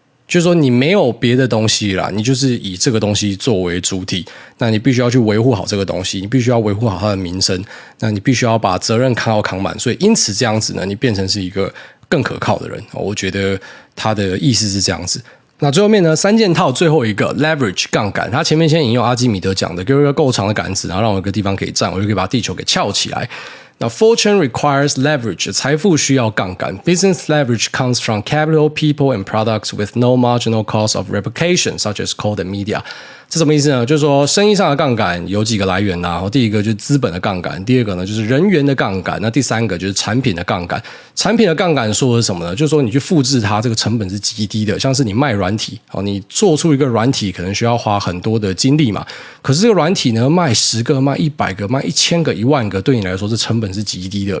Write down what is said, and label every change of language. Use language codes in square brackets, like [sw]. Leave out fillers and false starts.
[zh] 就是说你没有别的东西啦，你就是以这个东西作为主体，那你必须要去维护好这个东西，你必须要维护好它的名声，那你必须要把责任扛好扛满，所以因此这样子呢，你变成是一个更可靠的人。我觉得他的意思是这样子。那最后面呢，三件套最后一个 leverage 杠杆，他前面先引用阿基米德讲的，给我一个够长的杆子，然后让我一个地方可以站，我就可以把地球给翘起来。那 [en] fortune requires leverage， [zh] 财富需要杠杆。 [en] business leverage comes from capital, people and products with no marginal cost of replication such as call and media。 [zh] 这什么意思呢？就是说生意上的杠杆有几个来源啊，第一个就是资本的杠杆，第二个呢就是人员的杠杆，那第三个就是产品的杠杆。产品的杠杆说的是什么呢？就是说你去复制它，这个成本是极低的，像是你卖软体，你做出一个软体可能需要花很多的精力嘛，可是这个软体呢，卖十个、卖一百个、卖一千个、一万个，对你来说这成本是极低的。